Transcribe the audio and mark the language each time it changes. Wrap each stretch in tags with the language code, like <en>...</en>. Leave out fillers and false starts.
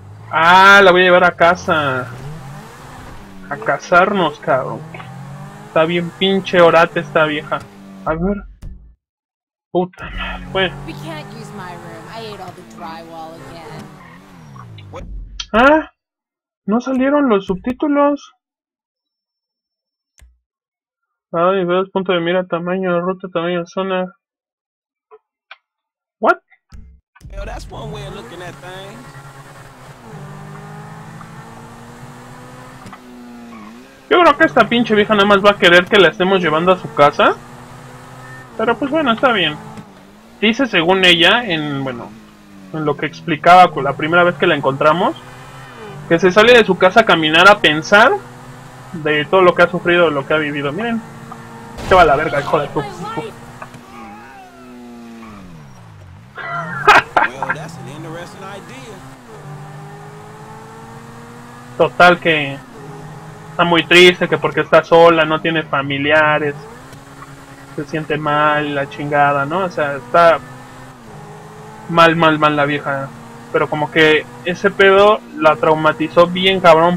<es>Ah, la voy a llevar a casa. A casarnos, cabrón. Está bien pinche orate esta vieja. A ver... puta madre, bueno.</es> <en>We can't use my room. I ate all the drywall again.</en> <es>Ah, no salieron los subtítulos. Ay, veo el punto de mira, tamaño de ruta, tamaño de zona.</es> <en>What? Yo, that's one way of looking at things.</en> <es>Yo creo que esta pinche vieja nada más va a querer que la estemos llevando a su casa. Pero pues bueno, está bien. Dice según ella, en lo que explicaba con la primera vez que la encontramos, que se sale de su casa a caminar a pensar de todo lo que ha sufrido, de lo que ha vivido. Miren, se va a la verga, hijo de puta.</es> <en>Well, that's an interesting idea.</en> <es>Total que está muy triste, que porque está sola, no tiene familiares. Se siente mal, la chingada, ¿no? O sea, está mal, mal, mal la vieja. Pero como que ese pedo la traumatizó bien, cabrón.</es>